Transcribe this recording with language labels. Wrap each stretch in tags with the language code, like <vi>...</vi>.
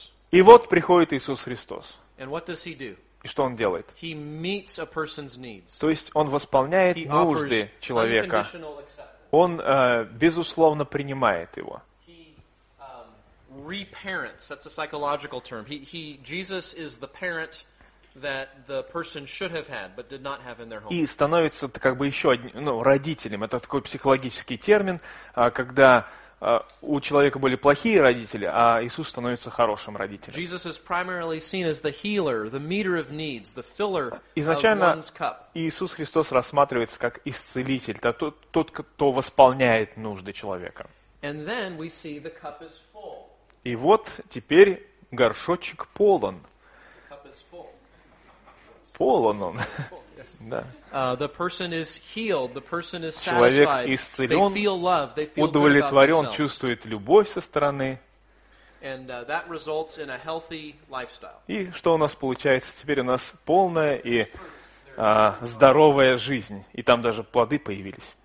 <ru>И вот приходит Иисус Христос. И что Он делает? То есть Он восполняет нужды человека. Он безусловно принимает его.</ru> <en>Reparents, that's a psychological term. Jesus is the parent that the person should have had, but did not have in their home.</en> <ru>И становится как бы еще одним, ну, родителем. Это такой психологический термин, когда у человека были плохие родители, а Иисус становится хорошим родителем.</ru> <en>Jesus is primarily seen as the healer, the meter of needs, the filler</en> <ru>изначально</ru> <en>of one's cup.</en> <ru>Иисус Христос рассматривается как исцелитель, тот, кто восполняет нужды человека.</ru> <en>And then we see the cup is full.</en> <ru>И вот теперь горшочек полон. Полон он. Да.</ru> <en>The person is healed, the person is satisfied.</en> <ru>Человек исцелен,</ru> <en>they feel love, they feel</en> <ru>удовлетворен, чувствует любовь со стороны.</ru> <en>And that results in a healthy lifestyle.</en> <ru>И что у нас получается? Теперь у нас полная и здоровая жизнь. И там даже плоды появились.</ru>